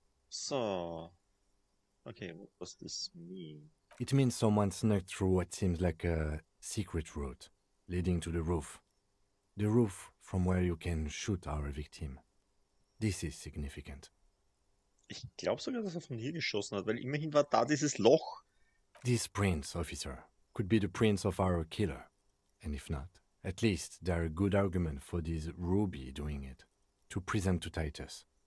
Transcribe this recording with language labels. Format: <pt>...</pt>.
<en>So, okay, what does this mean? It means someone snuck through what seems like a secret route leading to the roof. The roof from where you can shoot our victim. This is significant.</en> <de>Ich glaube sogar, dass von hier geschossen hat, weil immerhin war da dieses Loch.</de> <en>These prints, officer, could be the prints of our killer. And if not, at least, there are good arguments for this Ruby doing it, to present to Titus.</en>